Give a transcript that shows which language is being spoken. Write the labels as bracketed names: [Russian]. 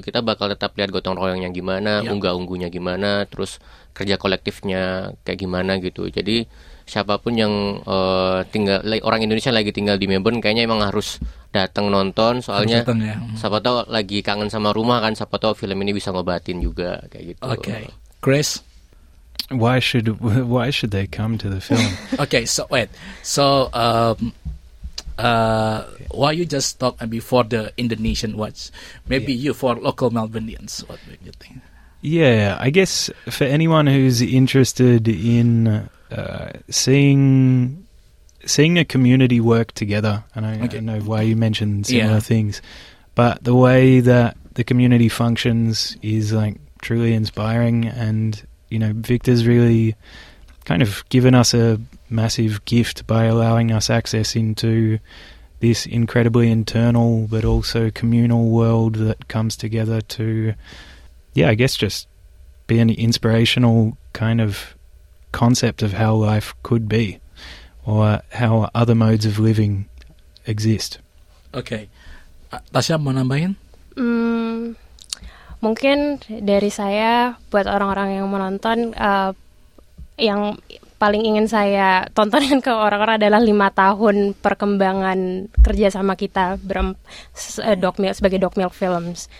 [Indonesian] Kita bakal tetap lihat gotong royongnya gimana, yep. Unggah-unggunya gimana, terus kerja kolektifnya kayak gimana gitu. Jadi siapapun yang orang Indonesia lagi tinggal di Melbourne, kayaknya emang harus datang nonton, soalnya datang, ya. Siapa tahu lagi kangen sama rumah kan, siapa tahu film ini bisa ngobatin juga kayak gitu. [English] Okay, Chris, why should they come to the film? Okay, so wait, so why you just talk before the Indonesian watch? Maybe yeah. You for local Melbourneians, what do you think? Yeah, I guess for anyone who's interested in seeing a community work together, and I know why you mentioned similar things, but the way that the community functions is like truly inspiring, and you know, Victor's really kind of given us a massive gift by allowing us access into this incredibly internal but also communal world that comes together to, yeah, I guess just be an inspirational kind of concept of how life could be or how other modes of living exist. [Indonesian] Okay. Tasya, mau nambahin? Mungkin dari saya, buat orang-orang yang menonton, yang paling ingin saya tontonin ke orang-orang adalah 5 tahun perkembangan kerjasama kita sebagai Dogmilk Films.